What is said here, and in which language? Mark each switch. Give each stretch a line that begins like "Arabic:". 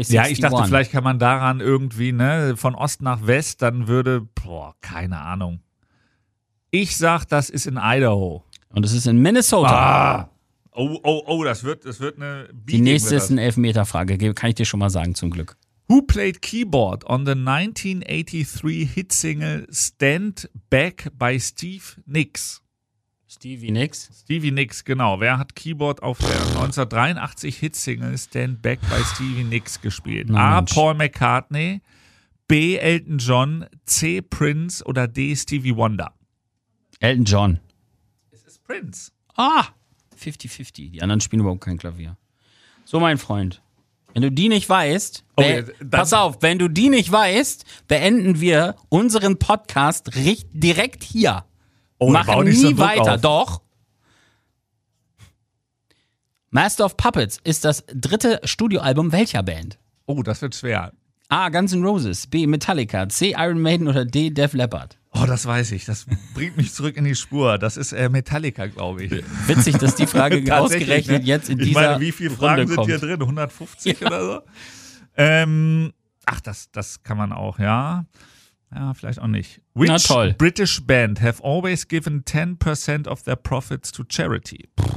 German: 61. Ja, ich dachte, vielleicht kann man daran irgendwie, ne, von Ost nach West, dann würde, boah, keine Ahnung. Ich sag, das ist in Idaho. Und es ist in Minnesota. Ah. Oh, das wird eine
English: Beating.
German: Die nächste ist eine Elfmeterfrage, kann ich dir schon mal sagen, zum Glück.
English: Who played keyboard on the 1983 hit single Stand Back by Steve Nicks?
German: Stevie Nicks? Stevie Nicks, genau. Wer hat Keyboard auf der
English: 1983 hit single Stand Back by Stevie Nicks
German: gespielt? Na, A. Mensch. Paul McCartney, B. Elton John, C. Prince oder D. Stevie Wonder? Elton John. Es ist Prince. Ah! 50-50. Die anderen spielen überhaupt kein Klavier. So, mein Freund. Wenn du die nicht weißt, pass auf, wenn du die nicht weißt, beenden wir unseren Podcast direkt hier. Oh, machen nie so weiter, doch. Master of Puppets ist das dritte Studioalbum welcher Band? Oh, das wird schwer. A, Guns N' Roses, B, Metallica, C, Iron Maiden oder D, Def Leppard? Oh, das weiß ich. Das bringt mich zurück in die Spur. Das ist Metallica, glaube ich. Witzig, dass die Frage ausgerechnet, ne? Jetzt in dieser Runde kommt. Wie viele Runde Fragen sind kommt hier drin? 150, ja, oder so? Das kann man auch, ja. Ja, vielleicht auch nicht.
English: Which
German: Na toll.
English: British band have always given 10% of their profits to charity?